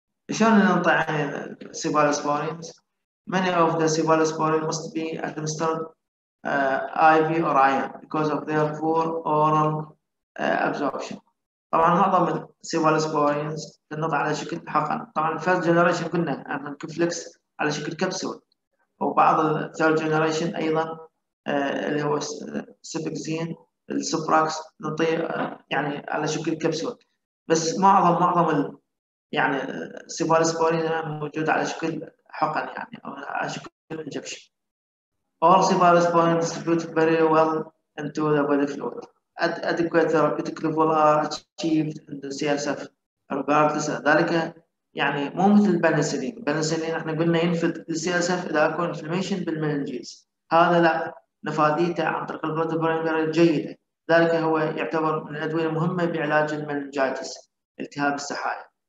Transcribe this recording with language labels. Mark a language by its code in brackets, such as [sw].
[ar] شلون ننطي عن السيفالوسبورين؟ [en] Many of the cephalosporin must be administered IV or IM because of their poor oral absorption. [ar] طبعا معظم السيفالوسبورين تنطي على شكل حقن. طبعا الفيرست جنريشن قلنا ان الكفلكس على شكل كبسول، وبعض الثيرد جنريشن ايضا اللي هو سيبكزين السوبراكس نطي يعني على شكل كبسول. بس معظم يعني سيفالوسبورين موجود على شكل حقن يعني او على شكل انجكشن. [en] All cephalosporin distribute very well into the body fluid. Adequate therapeutic level are achieved in the CSF regardless. [ar] ذلك يعني مو مثل البنسلين، البنسلين احنا قلنا ينفذ السي اس اف اذا اكو انفلميشن بالمننجيز. هذا لا، نفاذيته عن طريق البلوت برايمري جيده، ذلك هو يعتبر من الادويه المهمه بعلاج المننجايتس التهاب السحايا.